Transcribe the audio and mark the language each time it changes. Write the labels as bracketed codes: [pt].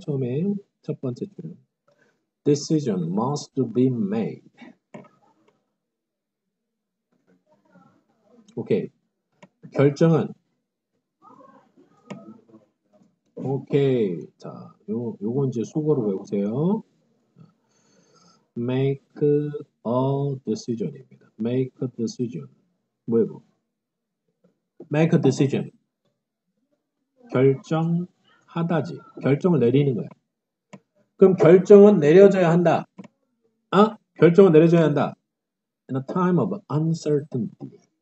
[ko] 처음에 첫 번째 줄. [en] Decision must be made. [ko] 오케이. 결정은. 오케이. 자, 요건 이제 수거로 외우세요. [en] Make a decision입니다. Make a decision. [ko] 뭐 이거? [en] Make a decision. [ko] 결정하다지. 결정을 내리는 거야. 그럼 결정은 내려져야 한다. 아, 결정은 내려져야 한다. [en] In a time of uncertainty.